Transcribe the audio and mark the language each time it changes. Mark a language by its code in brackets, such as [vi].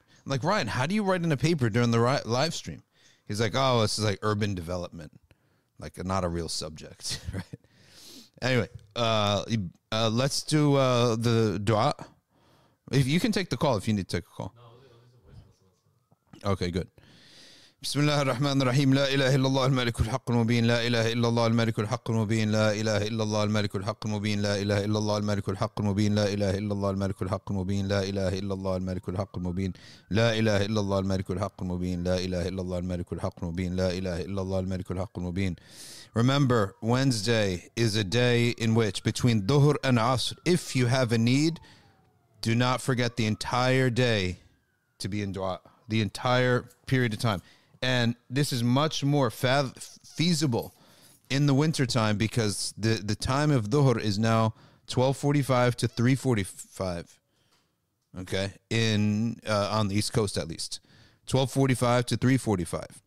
[en] I'm like, Ryan, how do you write in a paper during the live stream? He's like, oh, this is like urban development, like not a real subject, right? Anyway, let's do the dua. If you can take the call, if you need to take a call. Okay, good. [ar] بسم الله الرحمن الرحيم لا إله إلا الله الملك الحق المبين لا إله إلا الله الملك الحق المبين لا إله إلا الله الملك الحق المبين لا إله إلا الله الملك الحق المبين لا إله إلا الله الملك الحق المبين لا إله إلا الله الملك الحق المبين لا إله إلا الله الملك الحق المبين لا إله إلا الله الملك الحق المبين لا إله إلا الله الملك الحق المبين. [en] Remember, Wednesday is a day in which between Dhuhr and Asr, if you have a need, do not forget the entire day to be in dua, the entire period of time. And this is much more feasible in the wintertime because the time of Dhuhr is now 12:45 to 3:45, okay, on the East Coast at least, 12:45 to 3:45.